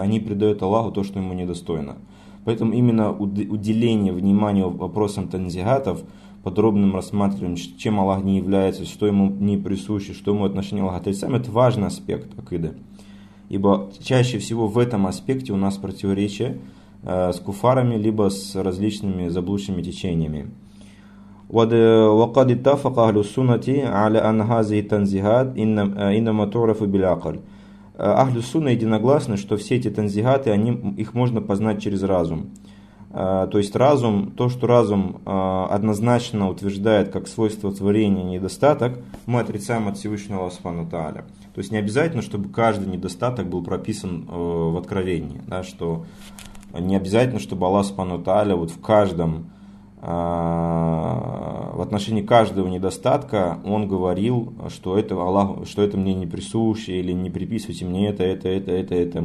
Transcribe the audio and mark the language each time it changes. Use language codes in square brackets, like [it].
[ru] Они предают Аллаху то, что ему недостойно. Поэтому именно уделение внимания вопросам танзигатов, подробным рассматриванием, чем Аллах не является, что ему не присуще, что ему отношение Аллаха отрицает, это важный аспект акиды. Ибо чаще всего в этом аспекте у нас противоречие с куфарами, либо с различными заблудшими течениями. [ar] وقد اتفق أهل السنة على أن هذه التنزيهات إنما تعرف بالعقل. [ru] أهل السنة единогласны, что все эти танзигаты, они, их можно познать через разум. То есть разум, то, что разум однозначно утверждает как свойство творения недостаток, мы отрицаем от Всевышнего Аллаха Субхана ва Тааля. То есть не обязательно, чтобы каждый недостаток был прописан в откровении, да, что не обязательно, чтобы Аллах Субхана ва Тааля вот в каждом, в отношении каждого недостатка он говорил, что это Аллах, что это мне не присуще, или не приписывайте мне это.